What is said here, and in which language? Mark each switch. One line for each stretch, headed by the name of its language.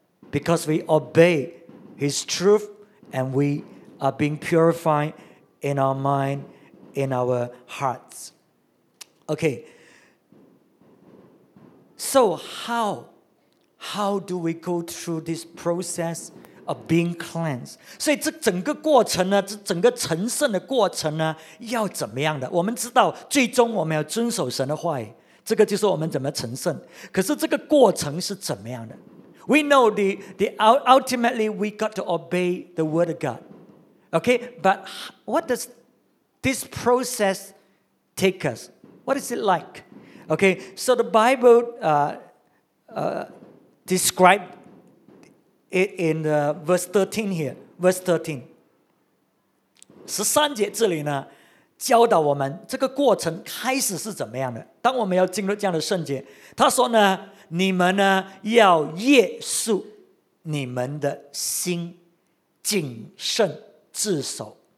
English: Because we obey His truth and we are being purified in our mind, in our hearts. Okay. So how do we go through this process of being cleansed?
Chinese: 所以这整个过程呢，这整个成圣的过程呢，要怎么样的？我们知道，最终我们要遵守神的话语，这个就是我们怎么成圣。可是这个过程是怎么样的？
English: We know the ultimately we got to obey the word of God. Okay, but what does this process take us? What is it like? Okay, so the Bible described it in verse 13 here. Verse 13.
Chinese: 13节这里呢，教导我们这个过程开始是怎么样的。当我们要进入这样的圣洁，他说呢，你们呢要夜宿你们的心，谨慎自守。